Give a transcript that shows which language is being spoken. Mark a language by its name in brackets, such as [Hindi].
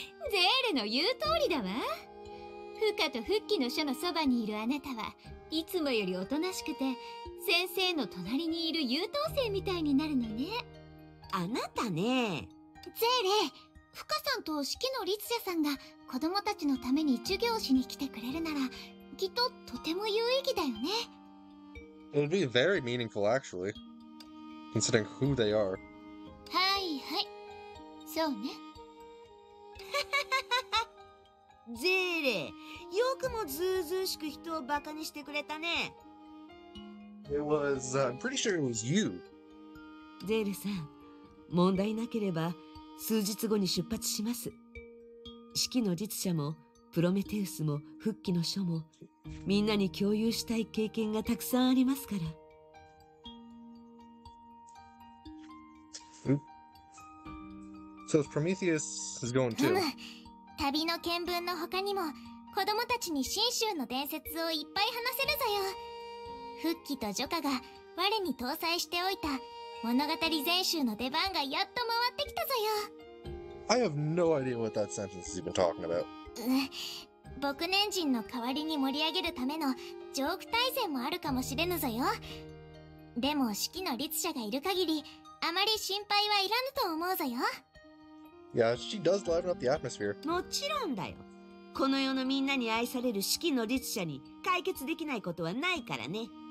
[Japanese] ゼーレの言う通りだわ。フカと復帰の書のそばにいるあなたはいつもよりおとなしくて、先生の隣にいる優等生みたいになるのね。あなたね。ゼーレ、フカさんと四季の律者さんが子供たちのために授業しに来てくれるならきっととても有意義だよね。 [English] It would be very meaningful, actually, considering who they are. [Japanese] はいはい、そうね。ゼーレ、よくもズーズーしく人をバカにしてくれたね。 [English] I'm pretty sure it was you. [Japanese] ゼーレさん、問題なければ数日後に出発します。四季の律者も、プロメテウスも、復帰の書も、みんなに共有したい経験がたくさんありますから。 [English] So Prometheus is going too. [Japanese] 旅の見聞の他にも、子供たちに信州の伝説をいっぱい話せるぞよ。復帰とジョカが我に搭載しておいた物語全集の出番がやっと回ってきたぞよ。 [English] I have no idea what that sentence is even talking about. [Japanese] 僕年人の代わりに盛り上げるためのジョーク大戦もあるかもしれぬぞよ。でも四季の律者がいる限り、あまり心配はいらぬと思うぞよ。 [English] Yeah, she does liven up the atmosphere. [Japanese] もちろんだよ。この世のみんなに愛される四季の律者に解決できないことはないからね。